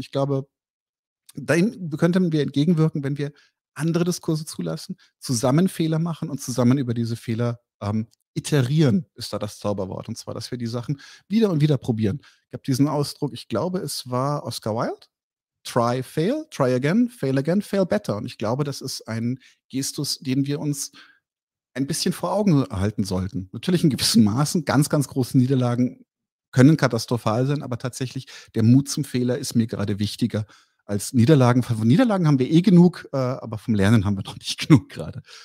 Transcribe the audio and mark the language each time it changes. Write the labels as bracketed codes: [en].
[de] Ich glaube, dahin könnten wir entgegenwirken, wenn wir andere Diskurse zulassen, zusammen Fehler machen und zusammen über diese Fehler iterieren, ist da das Zauberwort. Und zwar, dass wir die Sachen wieder und wieder probieren. Ich habe diesen Ausdruck, ich glaube, es war Oscar Wilde. [en] Try, fail, try again, fail better. [de] Und ich glaube, das ist ein Gestus, den wir uns ein bisschen vor Augen halten sollten. Natürlich in gewissen Maßen, ganz, ganz große Niederlagen können katastrophal sein, aber tatsächlich der Mut zum Fehler ist mir gerade wichtiger als Niederlagen. Von Niederlagen haben wir eh genug, aber vom Lernen haben wir noch nicht genug gerade.